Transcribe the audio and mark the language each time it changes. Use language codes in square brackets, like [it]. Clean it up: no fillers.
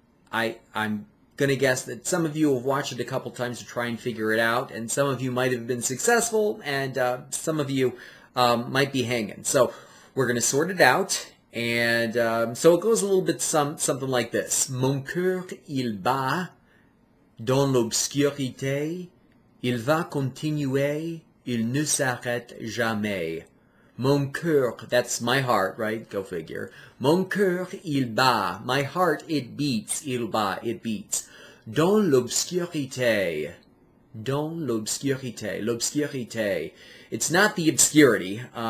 [en] I'm going to guess that some of you have watched it a couple times to try and figure it out, and some of you might have been successful, and some of you might be hanging. So we're going to sort it out, and so it goes a little bit something like this. [fr] Mon cœur, il bat dans l'obscurité, il va continuer, il ne s'arrête jamais. Mon cœur, [en] that's my heart, right? Go figure. [fr] Mon cœur, il bat. [en] My heart, it beats. [fr] Il bat, [en] it beats. [fr] Dans l'obscurité. Dans l'obscurité. L'obscurité. [en] It's not the obscurity.